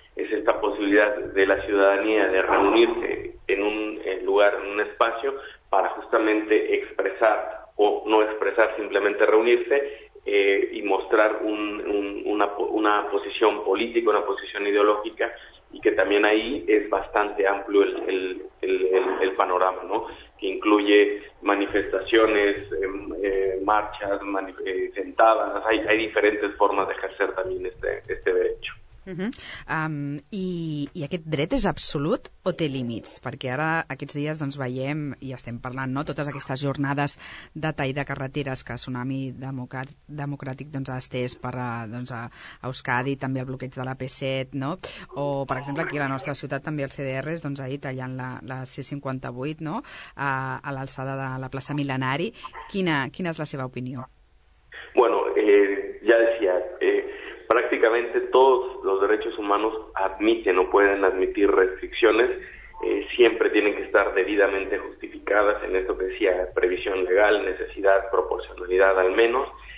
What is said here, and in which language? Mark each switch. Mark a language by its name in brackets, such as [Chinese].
[Spanish] Es esta posibilidad de la ciudadanía de reunirse en un lugar, en un espacio, para justamente expresar o no expresar, simplemente reunirse y mostrar una posición política, una posición ideológica, y que también ahí es bastante amplio el panorama, ¿no? Que incluye manifestaciones, marchas, sentadas, hay diferentes formas de ejercer también este derecho. Uh-huh. [Catalan] I aquest dret és absolut o té límits? Perquè ara aquests dies doncs veiem i estem parlant, no, totes aquestes jornades de tall de carreteres que Tsunami Democràtic doncs ha estès per a Euskadi, també el bloqueig de la P7, no? O per exemple aquí a la nostra ciutat també els CDRs doncs ahir tallant la C58, no? A l'alçada de la plaça Mil·lenari. Quina és la seva opinió? [Spanish] Bueno, ja decía, prácticamente todos los derechos humanos admiten o pueden admitir restricciones, siempre tienen que estar debidamente justificadas en esto que decía, previsión legal, necesidad, proporcionalidad al menos.